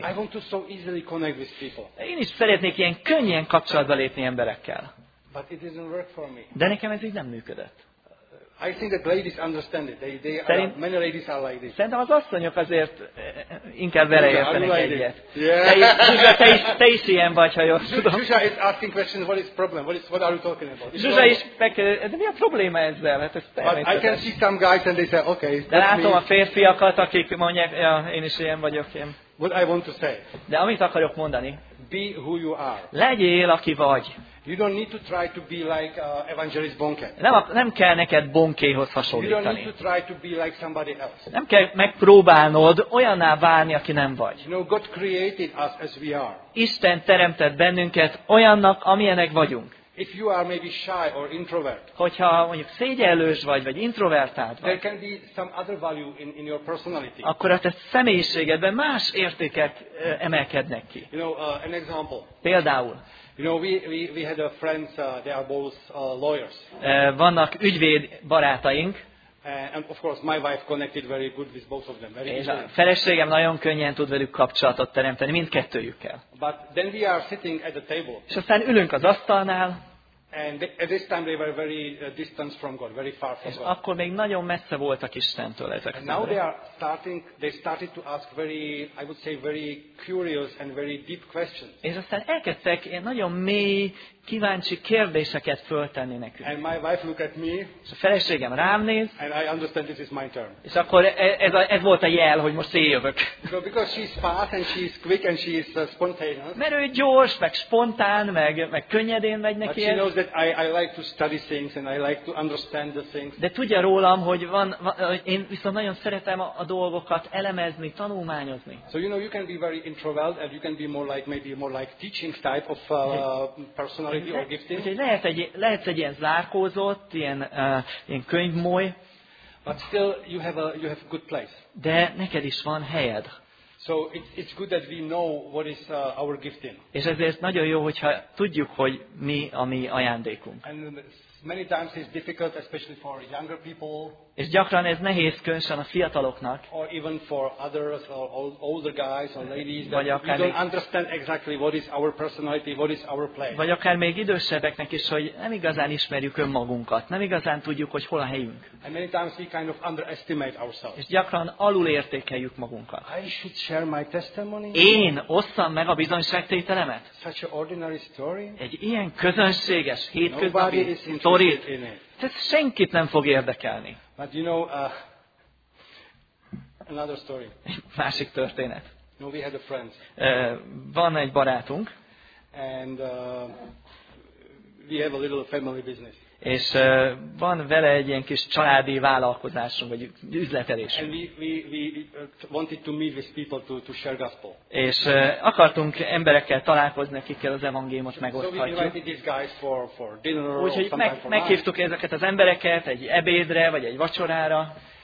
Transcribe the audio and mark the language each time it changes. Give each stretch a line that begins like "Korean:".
English: I want to so easily connect with people.
Hungarian: Én is szeretnék ilyen könnyen kapcsolatba lépni emberekkel.
English: But it didn't work for me.
Hungarian: De nekem ez így nem működött.
English: I think that ladies understand it. Many ladies are like this.
Hungarian: Szerintem az asszonyok azért inkább vele értenek
English: like
Hungarian: egyet.
English: Yeah.
Hungarian: Te is ilyen vagy, ha jól tudom.
English: Zsuzsa is asking questions, what is problem? What are you talking about?
Hungarian: Zsuzsa is de mi a probléma ezzel? Hát ez
English: I can see some guys and they say, okay.
Hungarian: De látom a férfiakat, akik mondják, ja, én is ilyen vagyok. Én.
English: What I want to say.
Hungarian: De amit akarok mondani.
English: Be who you are.
Hungarian: Legyél, aki vagy.
English: You don't need to try to be like Evangelist Bonke.
Hungarian: Nem kell neked Bonkéhoz hasonlítani.
English: You don't need to try to be like somebody else.
Hungarian: Nem kell megpróbálnod olyanná válni, aki nem vagy.
English: You know, God created us as we are.
Hungarian: Isten teremtett bennünket olyannak, amilyenek vagyunk.
English: If you are maybe shy or introvert.
Hungarian: Hogyha mondjuk szégyellős vagy introvertált vagy.
English: There can be some other value in your personality.
Hungarian: Akkor a te személyiségedben más értékek emelkednek ki.
English: You know, an example.
Hungarian: Például.
English: You know, we had a friends, they are both lawyers.
Hungarian: Vannak ügyvéd barátaink.
English: And of course, my wife connected very good with both of them. Very
Hungarian: a feleségem nagyon könnyen tud velük kapcsolatot teremteni, mindkettőjükkel.
English: But then we are sitting at the table.
Hungarian: És aztán ülünk az asztalnál.
English: And at this time they were very distant from God, very far from
Hungarian: és
English: God.
Hungarian: Akkor még nagyon messze voltak Istentől ezek.
English: And now they started to ask very, I would say very curious and very deep questions.
Hungarian: És aztán elkezdtek ilyen nagyon mély, kíváncsi kérdéseket föltenni nekünk.
English: And my wife looked at me.
Hungarian: És a feleségem rám néz.
English: And I understand this is my turn.
Hungarian: És akkor ez volt a jel, hogy most én jövök.
English: Because she's fast and she's quick and she's spontaneous.
Hungarian: Mert ő gyors, meg spontán, meg könnyedén megy neki.
English: But she knows that I like to study things and I like to understand the things.
Hungarian: De tudja rólam, hogy én viszont nagyon szeretem a dolgokat elemezni, tanulmányozni.
English: So you know you can be very introvert and you can be more like maybe more like teaching type of person.
Hungarian: Lehet egy ilyen zárkózott, ilyen könyvmoly.
English: But still you have a good place.
Hungarian: De neked is van helyed.
English: So it's good that we know what is our gifting.
Hungarian: És ezért nagyon jó, hogyha tudjuk, hogy mi a mi ajándékunk.
English: And many times it's difficult, especially for younger people.
Hungarian: És gyakran ez nehéz, különösen a fiataloknak.
English: Or even for others, or older guys or ladies, that we don't understand exactly what is our personality, what is our place.
Hungarian: Vagy akár még idősebbeknek is, hogy nem igazán ismerjük önmagunkat, nem igazán tudjuk, hogy hol a helyünk.
English: And many times we kind of underestimate ourselves.
Hungarian: És gyakran alulértékeljük magunkat.
English: I should share my testimony.
Hungarian: Én osszam meg a bizonyságtételemet.
English: Such an ordinary story.
Hungarian: Egy ilyen közönséges, hétköznapi sztorit. Ez senkit nem fog érdekelni.
English: But you know, another story.
Hungarian: Másik történet.
English: No, we had a friend.
Hungarian: Van egy barátunk.
English: And we have a little family business.
Hungarian: És van vele egy ilyen kis családi vállalkozásunk, vagy üzletelésünk.
English: And we wanted to meet with people to share gospel.
Hungarian: És akartunk emberekkel találkozni, akikkel az evangéliumot megoszthatjuk.
English: So we invited these guys for dinner.
Hungarian: Úgyhogy meghívtuk ezeket az embereket egy ebédre, vagy egy vacsorára.